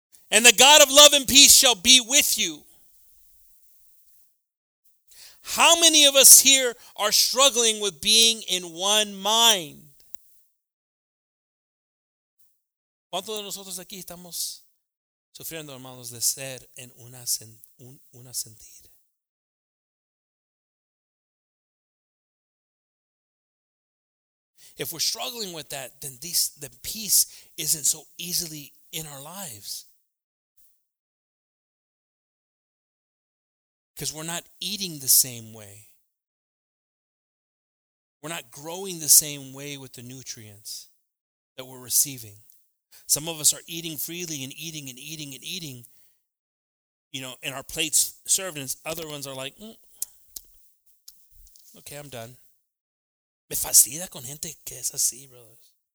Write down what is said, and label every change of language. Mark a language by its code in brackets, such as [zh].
[en] And the God of love and peace shall be with you. How many of us here are struggling with being in one mind? [es] ¿Cuántos de nosotros aquí estamos sufriendo, hermanos, de ser en una sentir? [en] If we're struggling with that, then the peace isn't so easily in our lives. Because we're not eating the same way. We're not growing the same way with the nutrients that we're receiving. Some of us are eating freely and eating and eating and eating, you know, and our plates served, and other ones are like, okay, I'm done. Me fastidia con gente que es así, brothers.